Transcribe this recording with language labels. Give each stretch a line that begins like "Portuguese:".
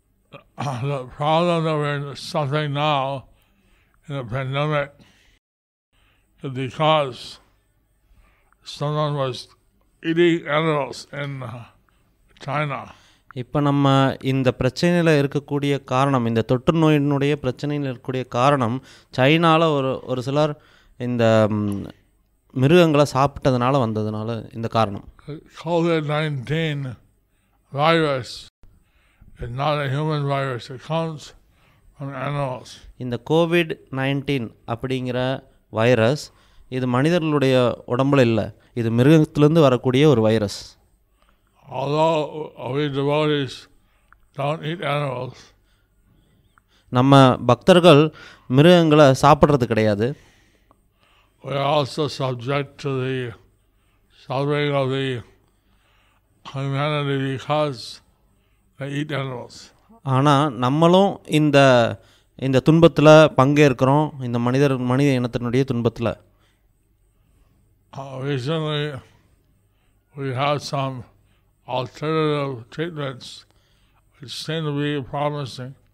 English: The problem that we're suffering now in the pandemic is because someone was eating animals in China.
Tamil: இப்போ நம்ம இந்த பிரச்சனையில் இருக்கக்கூடிய காரணம், இந்த தொற்று நோயினுடைய பிரச்சனையில் இருக்கக்கூடிய காரணம், சைனாவில் ஒரு சிலர் இந்த மிருகங்களை சாப்பிட்டதுனால வந்ததுனால இந்த காரணம்.
English: COVID-19 virus is not a human virus. It comes from animals.
Tamil: இந்த COVID-19 அப்படிங்கிற வைரஸ் இது மனிதர்களுடைய உடம்புல இல்லை, இது மிருகத்திலேருந்து வரக்கூடிய ஒரு virus.
English: Although we devotees don't eat animals,
Tamil: நம்ம பக்தர்கள் மிருகங்களை சாப்பிட்றது கிடையாது.
English: We are also subject to the suffering of the humanity because they eat animals.
Tamil: ஆனால் நம்மளும் இந்த இந்த துன்பத்தில் பங்கேற்கிறோம், இந்த மனிதர் மனித இனத்தினுடைய துன்பத்தில்.
English: Recently, we have some alternative treatments which seem to be promising.